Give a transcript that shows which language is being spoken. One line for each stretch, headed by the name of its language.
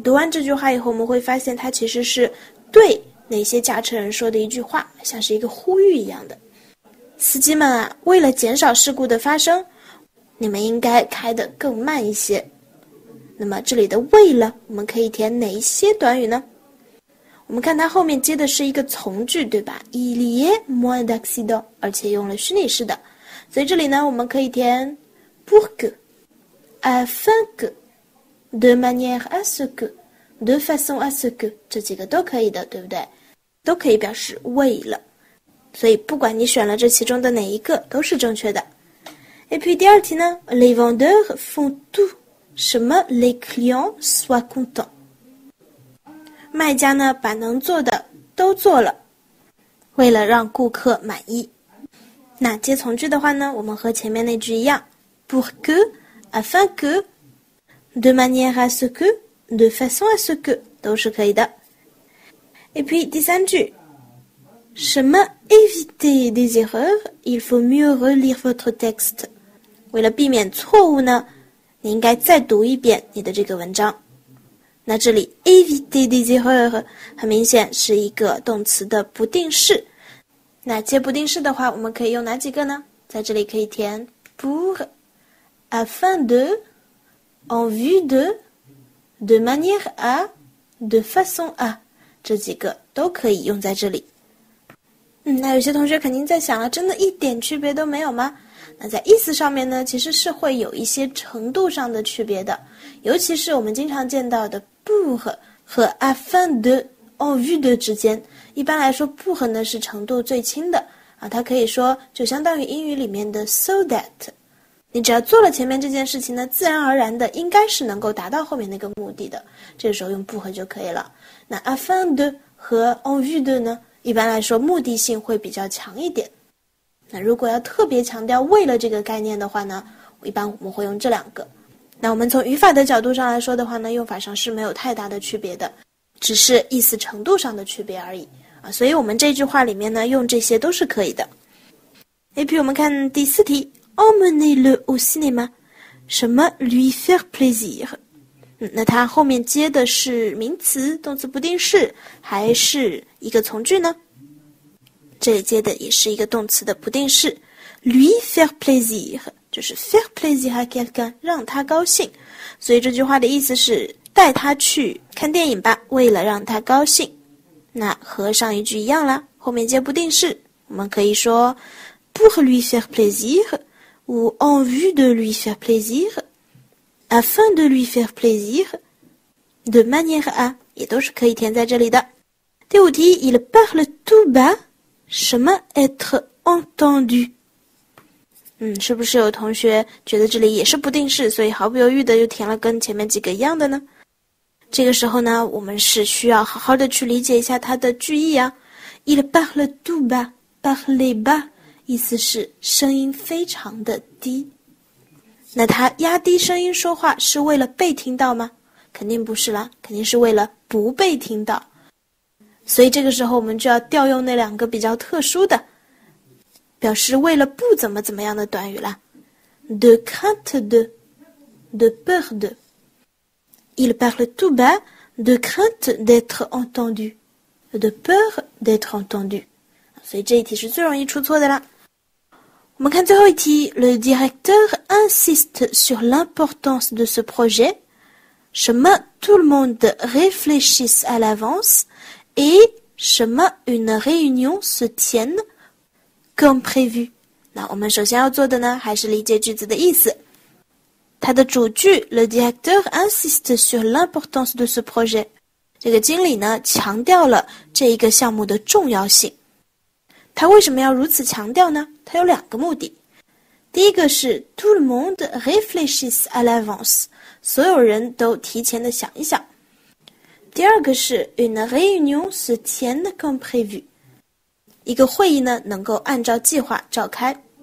Chinese: 读完这句话以后我们会发现它其实是对那些驾车人说的一句话，像是一个呼吁一样的。司机们啊，为了减少事故的发生，你们应该开得更慢一些。那么这里的为了我们可以填哪一些短语呢？我们看它后面接的是一个从句，对吧？
French: Il y a moins d'accident,
Chinese: 而且用了虚拟式的。所以这里呢我们可以填 pour que, afin que, de manière à ce que, de façon à ce que, 这几个都可以的，对不对？都可以表示为了。所以不管你选了这其中的哪一个都是正确的。
French: Et puis
Chinese: 第二题呢，
French: les vendeurs font tout,
Chinese: 什么
French: les clients soient contents,
Chinese: 卖家呢把能做的都做了，为了让顾客满意。那接从句的话呢，我们和前面那句一样 pour que, afin que, de manière à ce que, de façon à ce que, 都是可以的。
French: Et puis
Chinese: 第三句，什么
French: éviter des erreurs, il faut mieux relire votre texte,
Chinese: 为了避免错误呢，你应该再读一遍你的这个文章。那这里
French: éviter des erreurs
Chinese: 很明显是一个动词的不定式。那接不定式的话我们可以用哪几个呢？在这里可以填 pour, afin de, en vue de, de manière à, de façon à, 这几个都可以用在这里。那有些同学肯定在想了，真的一点区别都没有吗？那在意思上面呢，其实是会有一些程度上的区别的，尤其是我们经常见到的 pour 和 afin de En vue de 之间，一般来说不和呢是程度最轻的啊，它可以说就相当于英语里面的 so that。你只要做了前面这件事情呢，自然而然的应该是能够达到后面那个目的的。这个时候用不和就可以了。那 afin de 和 en vue de 呢，一般来说目的性会比较强一点。那如果要特别强调为了这个概念的话呢，一般我们会用这两个。那我们从语法的角度上来说的话呢，用法上是没有太大的区别的，只是意思程度上的区别而已啊。所以我们这句话里面呢，用这些都是可以的。 AP 我们看第四题。
French: Emmenez-le au cinéma.
Chinese: 什么
French: lui faire plaisir?
Chinese: 那它后面接的是名词、动词不定式，还是一个从句呢？这里接的也是一个动词的不定式。 lui faire plaisir, 就是
French: faire plaisir à quelqu'un,
Chinese: 让他高兴。所以这句话的意思是带他去看电影吧，为了让他高兴。那和上一句一样啦，后面接不定式。我们可以说
French: pour lui faire plaisir,ou en vue de lui faire plaisir, afin de lui faire plaisir, de manière à,
Chinese: 也都是可以填在这里的。第五题，
French: il parle tout bas, 什么 être entendu?
Chinese: 是不是有同学觉得这里也是不定式，所以毫不犹豫的又填了跟前面几个一样的呢？这个时候呢，我们是需要好好的去理解一下它的句意啊。
French: il parle tout bas, parle bas.
Chinese: 意思是声音非常的低，那他压低声音说话是为了被听到吗？肯定不是啦，肯定是为了不被听到。所以这个时候我们就要调用那两个比较特殊的表示为了不怎么怎么样的短语啦。
French: De crainte de, de peur de. Il parle tout bas de crainte d'être entendu, de peur d'être entendu.
Chinese: 所以这一题是最容易出错的啦。我们看最后一题，
French: Le directeur insiste sur l'importance de ce projet.
Chinese: 什么
French: tout le monde réfléchisse à l'avance et 什么 une réunion se tienne comme prévu.
Chinese: 那我们首先要做的呢，还是理解句子的意思。它的主句
French: Le directeur insiste sur l'importance de ce projet.
Chinese: 这个经理呢，强调了这一个项目的重要性。他为什么要如此强调呢？他有两个目的。第一个是
French: tout le monde réfléchisse à l'avance,
Chinese: 所有人都提前的想一想。第二个是
French: une réunion se tienne comme prévu,
Chinese: 一个会议呢能够按照计划召开。